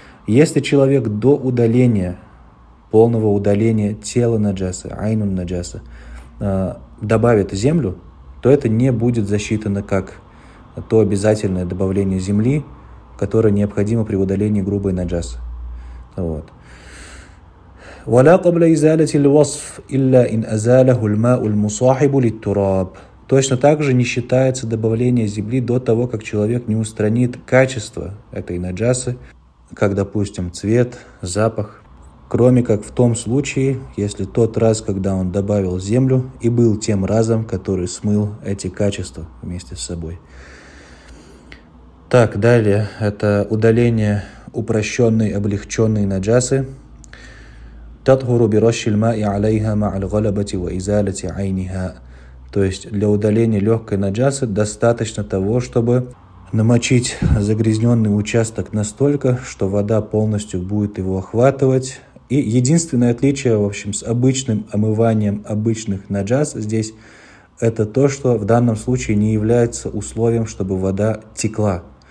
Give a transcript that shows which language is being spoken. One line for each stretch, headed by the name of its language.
Russian: Если человек до удаления, полного удаления тела наджаса, айнун наджаса, добавит землю, то это не будет засчитано как то обязательное добавление земли, которое необходимо при удалении грубой наджасы. Вот.
Arabic: ولا قبل إزالة الوصف إلا إن أزاله الماء المصاحب للتراب.
Russian: Точно так же не считается добавление земли до того, как человек не устранит качество этой наджасы, как, допустим, цвет, запах, кроме как в том случае, если тот раз, когда он добавил землю, и был тем разом, который смыл эти качества вместе с собой. Так, далее, это удаление упрощенной, облегченной наджасы.
Arabic: تطهر برش الماء عليها مع الغلبة وإزالة عينها.
Russian: То есть для удаления легкой наджасы достаточно того, чтобы намочить загрязненный участок настолько, что вода полностью будет его охватывать. И единственное отличие, в общем, с обычным омыванием обычных наджас здесь, это то, что в данном случае не является условием, чтобы вода текла.